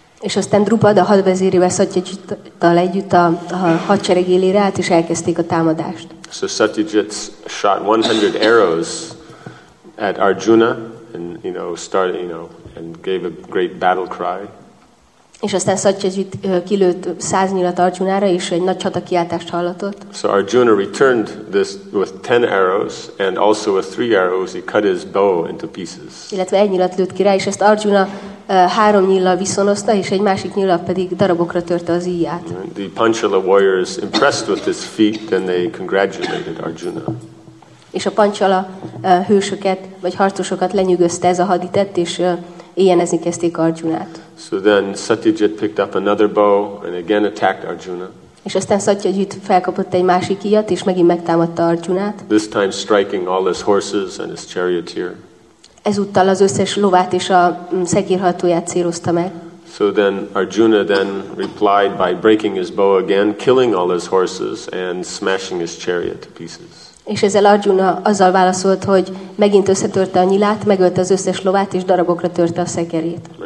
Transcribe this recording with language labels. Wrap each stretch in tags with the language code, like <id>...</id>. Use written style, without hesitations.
<hu>És aztán Drupad a hadvezérével, Satyajittal együtt a hadsereg élére állt, és elkezdték a támadást.</hu> <en>So Satyajit shot 100 arrows at Arjuna, and, you know, started, you know, and gave a great battle cry.</en> <hu>És aztán Satyajit kilőtt 100 nyilat Arjunára, és egy nagy csatakiáltást hallatott.</hu> <en>So Arjuna returned this with 10 arrows, and also with 3 arrows he cut his bow into pieces.</en> <hu>Illetve egy nyilat lőtt ki rá, és ezt Arjuna 3 nyillal viszonozta, és egy másik nyillal pedig darabokra törte az íját.</hu> <en>The Panchala warriors, impressed with this feat, then they congratulated Arjuna.</en> <hu>És a Panchala hősöket, vagy harcosokat lenyűgözte ez a haditett, és éjjenezni kezdték Arjunát.</hu> <en>So then Satyajit picked up another bow and again attacked Arjuna.</en> <hu>És aztán Satyajit felkapott egy másik íjat, és megint megtámadta Arjunát.</hu> <en>This time striking all his horses and his charioteer.</en> <hu>Ezúttal az összes lovát és a szekérhajtóját célozta meg.</hu> <en>So then Arjuna then replied by breaking his bow again, killing all his horses and smashing his chariot to pieces.</en> <hu>És ezzel Arjuna azzal válaszolt, hogy megint összetörte a nyilát, megölte az összes lovát és darabokra törte a szekerét.</hu>